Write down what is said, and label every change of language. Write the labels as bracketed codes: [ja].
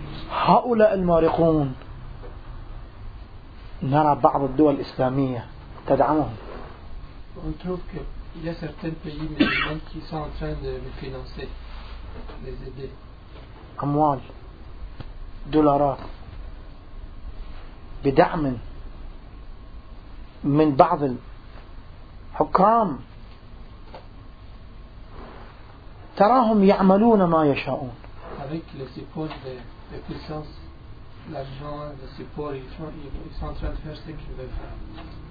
[ar] هؤلاء المارقون نرى بعض الدول الإسلامية تدعمهم [fr] On trouve qu'il y a certains pays musulmans qui sont en train de les financer, les aider. [ar] أموال, دولارات, بدعم من بعض الحكام. تراهم يعملون ما يشاءون. [fr] Avec le support de puissance, l'argent, le support, ils sont en train de faire ce qu'ils veulent faire.